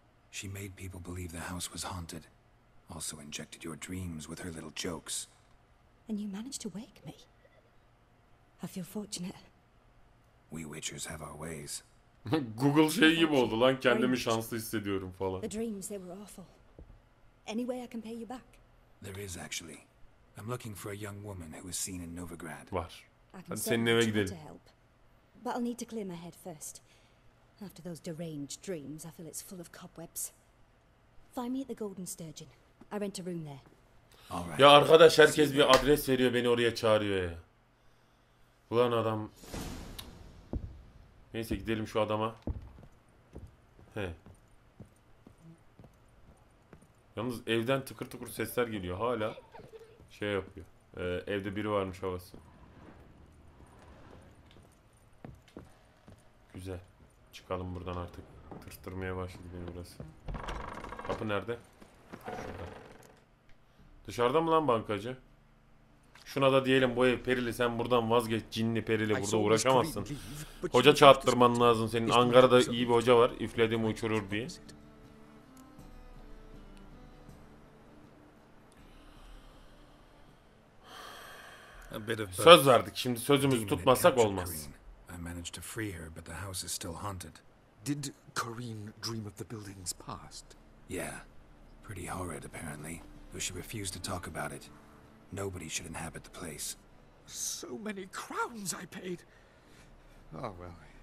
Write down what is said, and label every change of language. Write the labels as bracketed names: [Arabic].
[English] She made people believe the house was haunted. Also injected your dreams with her little jokes. And you managed to wake me. I feel fortunate. We witchers have our ways. [Turkish] Google şey gibi oldu lan, kendimi şanslı hissediyorum falan. [English] The dreams, they were awful. Any way I can pay you back? There is actually. I'm looking for a young woman who was seen in Novigrad. [Turkish] Var. Hadi senin eve gidelim. [English] But I'll need to clear my head first. After those deranged dreams, I feel it's full of cobwebs. Find me at the Golden Sturgeon. I rent a room there. All right. [Turkish] Ya arkadaş, herkes bir adres veriyor, beni oraya çağırıyor ya. Ulan adam. Neyse, gidelim şu adama. He. Yalnız evden tıkır tıkır sesler geliyor hala. Şey yapıyor. Evde biri varmış havası. Güzel. Çıkalım buradan artık. Tırtırmaya başladı beni burası. Kapı nerede? Şurada. Dışarıda mı lan bankacı? Şuna da diyelim, bu ev perili, sen buradan vazgeç cinli perili, burada uğraşamazsın. Hoca çağırtırman lazım senin. Ankara'da iyi bir hoca var. İflediğimi uçurur diye. Söz verdik. Şimdi sözümüzü tutmazsak olmaz. [English] I managed to free her, but the house is still haunted. Did Corrine dream of the buildings past? Yeah. Pretty horrid apparently. Though she refused to talk about it. Nobody should inhabit the place. So many crowns I paid. Oh well.